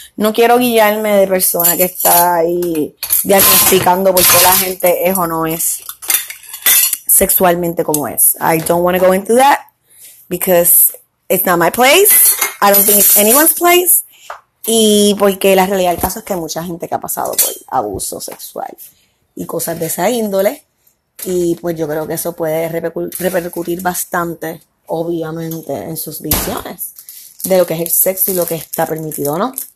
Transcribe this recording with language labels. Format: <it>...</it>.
<es>No quiero guiarme de persona que está ahí diagnosticando por qué la gente es o no es sexualmente como es.</es> <en>I don't want to go into that because it's not my place. I don't think it's anyone's place.</en> <es>Y porque la realidad del caso es que hay mucha gente que ha pasado por abuso sexual y cosas de esa índole. Y pues yo creo que eso puede repercutir bastante, obviamente, en sus visiones de lo que es el sexo y lo que está permitido, ¿no?</es>